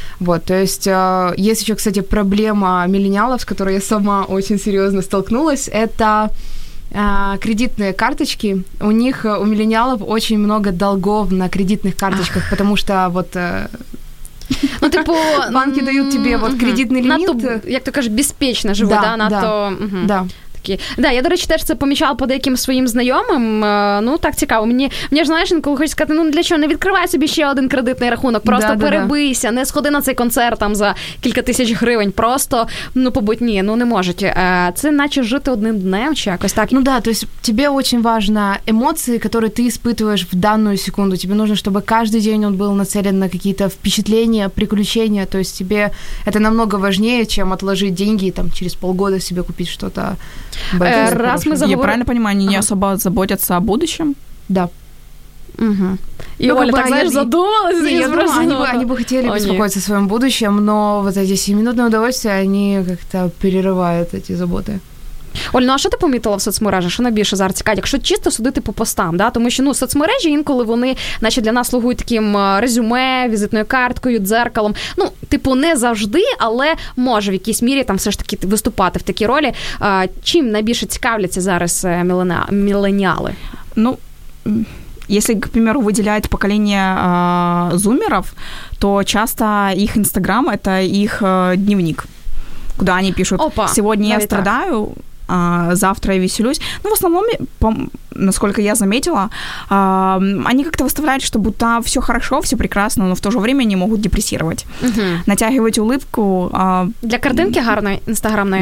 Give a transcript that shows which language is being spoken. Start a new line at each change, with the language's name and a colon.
Russian: Вот, то есть есть еще, кстати, проблема миллениалов, с которой я сама очень серьезно столкнулась, это кредитные карточки. У них, у миллениалов, очень много долгов на кредитных карточках, потому что вот...
Ukrainian: Ну, типу...
Russian: Банки дают тебе вот кредитный лимит.
Ukrainian: Як то кажуть, безпечно живу, да? Да, да. Да, я, до речі, теж це помічала по деяким своїм знайомим. Ну, так цікаво. Мені ж, знаєш, коли хочеш сказати, ну, для чого, не відкривай собі ще один кредитний рахунок, просто да, перебийся, да. Не сходи на цей концерт там за кілька тисяч гривень, просто, ну, побудь, ні, ну, не можуть. Це наче жити одним днем чи якось так. Ну, да,
Russian: то есть
Ukrainian: тебе дуже важливі емоції, які ти
Russian: испытываешь
Ukrainian: в дану секунду. Тебе потрібно, щоб кожен день він був націлений на якісь впечатлення, приключення.
Russian: То есть
Ukrainian: тебе це намного важливіше, ніж відложити гроші там через півгода собі купити щось.
Russian: Раз мы заговор... Я правильно понимаю, они не особо заботятся о будущем? Да. Угу. И ну, Оля, как бы, так, знаешь, они... задумалась. Не, я думала, они бы хотели беспокоиться о своем будущем, но вот эти 7-минутные удовольствия, они как-то перерывают эти заботы.
Ukrainian: Оль, ну а що ти помітила в соцмережах? Що найбільше зараз цікавить? Якщо чисто судити по постам, да? Тому що, ну, соцмережі інколи вони, наче, для нас слугують таким резюме, візитною карткою, дзеркалом. Ну, типу, не завжди, але може в якійсь мірі там все ж таки виступати в такій ролі. Чим найбільше цікавляться зараз міленіали?
Russian: Ну, если, к примеру, выделяют поколение зумеров, то часто їх Instagram – это їх дневник, куда они пишут: «Опа, сегодня я страдаю, завтра я веселюсь». Ну, в основном, насколько я заметила, они как-то выставляют, что будто все хорошо, все прекрасно, но в то же время они могут депрессировать. Угу. Натягивать улыбку.
Ukrainian: Для картинки гарной, инстаграмной?